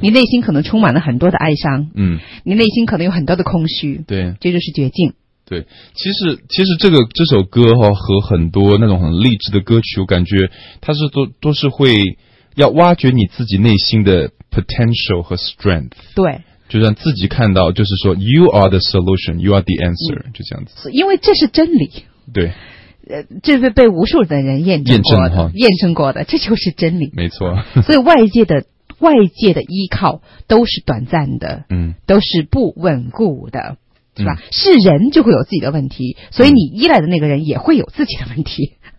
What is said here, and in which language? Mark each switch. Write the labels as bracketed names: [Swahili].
[Chinese] 你内心可能充满了很多的哀伤。嗯，你内心可能有很多的空虚。对，这就是绝境。对，其实这首歌哈、哦、和很多那种很励志的歌曲，我感觉它是都是会要挖掘你自己内心的 potential 和 strength。对，就让自己看到，就是说 [English] you are the solution, you are the answer,、 [Chinese] 嗯、就这样子。因为这是真理。对，这是被无数的人验证过的，这就是真理。没错。所以外界的依靠都是短暂的，嗯，都是不稳固的。是吧、嗯？是人就会有自己的问题，所以你依赖的那个人也会有自己的问题，